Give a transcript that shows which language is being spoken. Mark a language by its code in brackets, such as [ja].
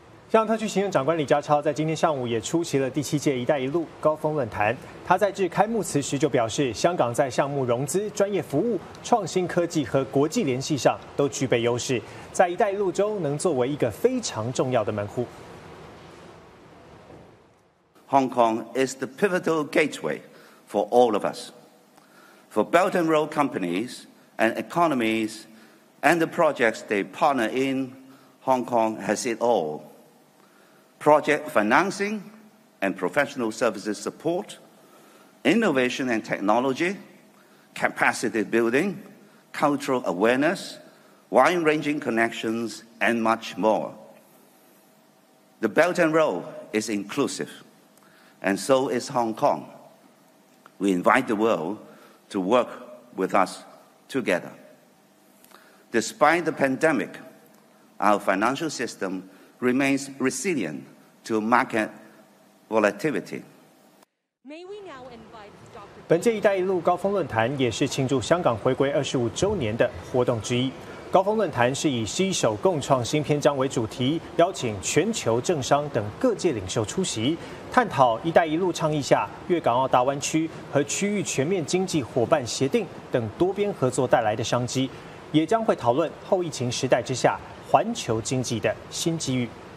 [zh] 香港特区行政长官李家超在今天上午也出席了第7届“一带一路”高峰论坛。他在致开幕词时就表示，香港在项目融资、专业服务、创新科技和国际联系上都具备优势，在“一带一路”中能作为一个非常重要的门户。 [en] Hong Kong is the pivotal gateway for all of us, for Belt and Road companies and economies and the projects they partner in. Hong Kong has it all. Project financing and professional services support, innovation and technology, capacity building, cultural awareness, wide-ranging connections, and much more. The Belt and Road is inclusive, and so is Hong Kong. We invite the world to work with us together. Despite the pandemic, our financial system remains resilient. To market volatility. [zh] 本届“一带一路”高峰论坛也是庆祝香港回归25周年的活动之一。高峰论坛是以“携手共创新篇章”为主题，邀请全球政商等各界领袖出席，探讨“一带一路”倡议下粤港澳大湾区和区域全面经济伙伴协定等多边合作带来的商机，也将会讨论后疫情时代之下环球经济的新机遇。